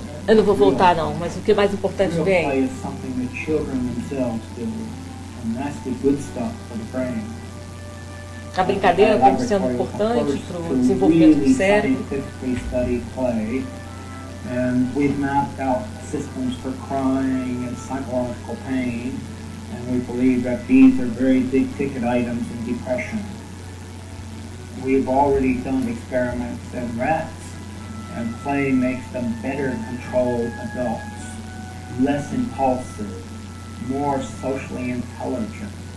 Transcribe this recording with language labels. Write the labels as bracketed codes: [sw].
[pt] Eu não vou voltar não, mas o que é mais importante [en] real [pt] vem. [en] Real play is something that children themselves do, and that's the good stuff for the brain. [pt] A brincadeira como sendo importante para o desenvolvimento do cérebro. [en] And we've mapped out systems for crying and psychological pain, and we believe that these are very big ticket items in depression. We've already done experiments in rats, and play makes them better controlled adults, less impulsive, more socially intelligent.